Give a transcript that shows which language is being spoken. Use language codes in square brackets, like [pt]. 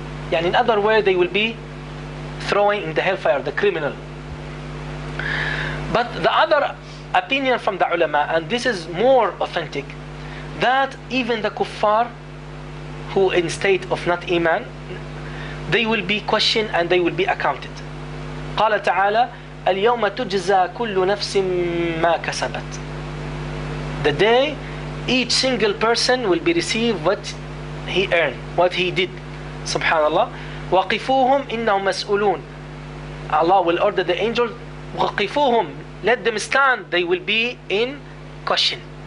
[en] Yani in other words, they will be throwing in the hellfire, the criminal. But the other opinion from the ulama, and this is more authentic, that even the kuffar, who in state of not iman, they will be questioned and they will be accounted. [ar] قال تعالى اليوم تجزى كل نفس ما كسبت. [en] The day each single person will be received what he earned, what he did. [ar] Subhanallah. وَقِفُوهُمْ إِنَّهُمْ مَسْئُولُونَ. [en] Allah will order the angel, وَقِفُوهُمْ, let them stand, they will be in question.